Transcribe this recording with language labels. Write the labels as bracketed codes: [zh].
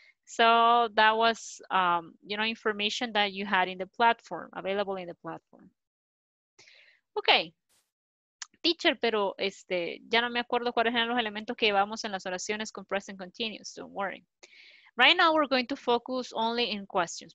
[en] So that was, you know, information that you had in the platform, available in the platform. Okay. [es] Teacher, pero ya no me acuerdo cuáles eran los elementos que llevamos en las oraciones con present continuous. [en] Don't worry. Right now we're going to focus only in questions.